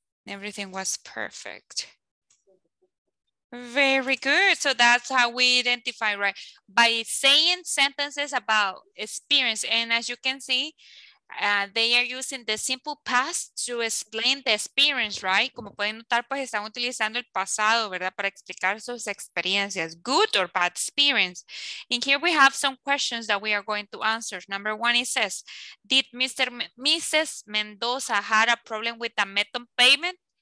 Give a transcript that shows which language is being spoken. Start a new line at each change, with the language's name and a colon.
English: Everything was perfect. Very good. So that's how we identify, right? By saying sentences about experience. And as you can see, they are using the simple past to explain the experience, right?
Spanish: Como pueden notar, pues están utilizando el pasado, ¿verdad? Para explicar sus experiencias,
English: good or bad experience. And here we have some questions that we are going to answer. Number one, it says, did Mrs. Mendoza had a problem with the method payment?